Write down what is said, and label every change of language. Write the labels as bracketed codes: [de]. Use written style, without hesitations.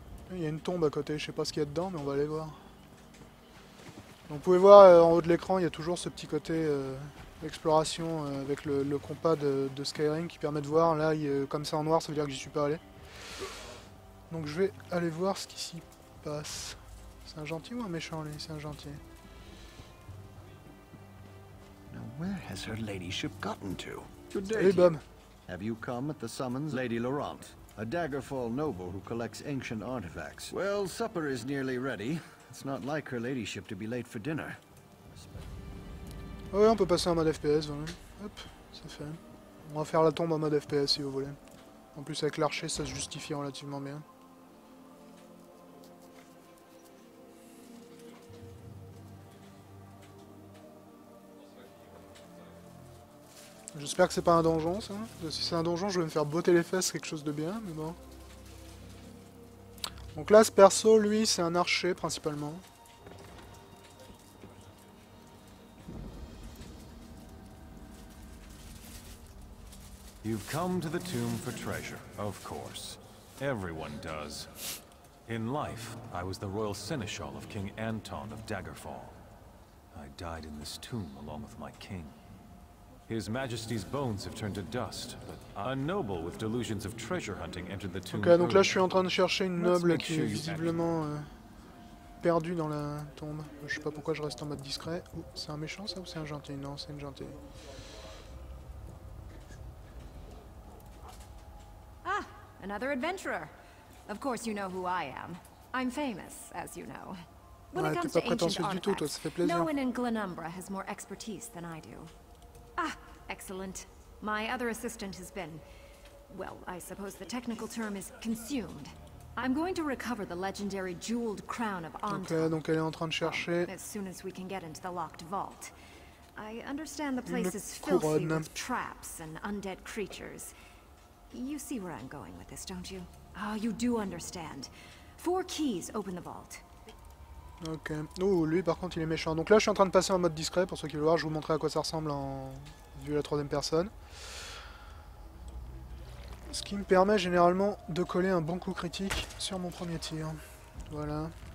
[fr] Il y a une tombe à côté, je sais pas ce qu'il y a dedans, mais on va aller voir. Vous pouvez voir en haut de l'écran, il y a toujours ce petit côté exploration avec le compas de Skyrim qui permet de voir. Là, comme c'est en noir, ça veut dire que j'y suis pas allé. Donc je vais aller voir ce qui s'y passe. C'est un gentil ou un méchant, lui? C'est un gentil. [en] Now, where has her ladyship gotten to? Good day. Hey, Bob. Have you come at the summons, Lady Laurent, a Daggerfall noble who collects ancient artifacts? Well, supper is nearly ready. It's not like her ladyship to be late for dinner. [fr] Ouais, on peut passer en mode FPS, voilà. Hop, c'est fait. On va faire la tombe en mode FPS si vous voulez. En plus avec l'archer, ça se justifie relativement bien. J'espère que c'est pas un donjon, ça. Si c'est un donjon, je vais me faire botter les fesses, quelque chose de bien, mais bon. Donc là, ce perso, lui, c'est un archer, principalement. [en] You've come to the tomb for treasure, of course. Everyone does. In life, I was the royal seneschal of King Anton of Daggerfall. I died in this tomb along with my king. His Majesty's bones have turned to dust, but a noble with delusions of treasure hunting entered the tomb. [fr] Ok, donc là je suis en train de chercher une noble qui est visiblement perdue dans la tombe. Je sais pas pourquoi je reste en mode discret. Oh, c'est un méchant ça ou c'est un gentil? Non, c'est une gentille. [en] Ah, another adventurer. Of course you know who I am. I'm famous, as you know. When it comes to ancient artifacts, no one in Glenumbra has more expertise than I do. Ah, excellent. My other assistant has been... Well, I suppose the technical term is consumed. I'm going to recover the legendary jeweled crown of Anton. [fr] Okay, donc elle est en train de chercher. [en] Well, as soon as we can get into the locked vault. I understand the place is filthy with traps and undead creatures. You see where I'm going with this, don't you? Oh, you do understand. Four keys open the vault. [fr] Ok. Oh, lui par contre il est méchant. Donc là je suis en train de passer en mode discret pour ceux qui veulent voir. Je vous montrerai à quoi ça ressemble en vue à la troisième personne. Ce qui me permet généralement de coller un bon coup critique sur mon premier tir. Voilà.